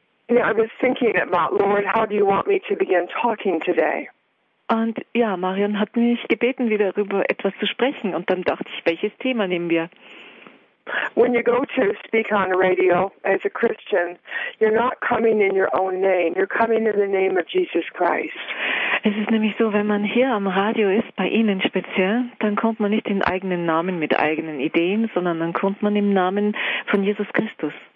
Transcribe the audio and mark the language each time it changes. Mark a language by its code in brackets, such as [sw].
[en] Yeah, I was thinking about, Lord, how do you want me to begin talking today? [de] Und ja, Marion hat mich gebeten, wieder darüber etwas zu sprechen. Und dann dachte ich, welches Thema nehmen wir? [en] When you go to speak on radio as a Christian, you're not coming in your own name. You're coming in the name of Jesus Christ. [de] Es ist nämlich so, wenn man hier am Radio ist, bei Ihnen speziell, dann kommt man nicht in eigenen Namen mit eigenen Ideen, sondern dann kommt man im Namen von Jesus Christus.